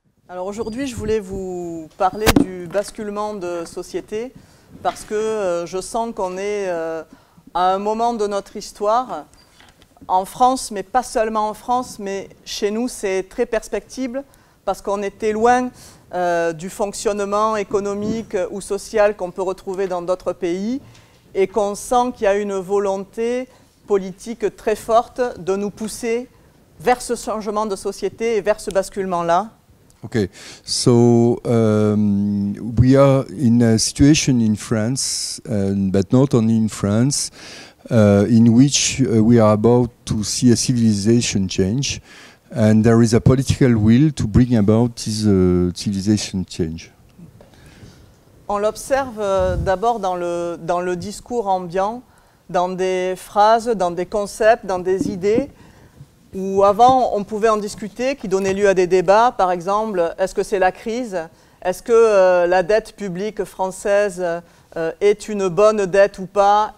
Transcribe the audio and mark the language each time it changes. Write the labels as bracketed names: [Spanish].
[French] Alors aujourd'hui, je voulais vous parler du basculement de société parce que je sens qu'on est à un moment de notre histoire en France, mais pas seulement en France, mais chez nous, c'est très perceptible parce qu'on était loin du fonctionnement économique ou social qu'on peut retrouver dans d'autres pays et qu'on sent qu'il y a une volonté politique très forte de nous pousser vers ce changement de société et vers ce basculement-là. [English] Okay, so we are in a situation in France, but not only in France, in which we are about to see a civilization change, and there is a political will to bring about this civilization change. [French] On l'observe d'abord dans le discours ambiant, dans des phrases, dans des concepts, dans des idées, où avant on pouvait en discuter, qui donnait lieu à des débats, par exemple, est-ce que c'est la crise ? Est-ce que la dette publique française est une bonne dette ou pas ?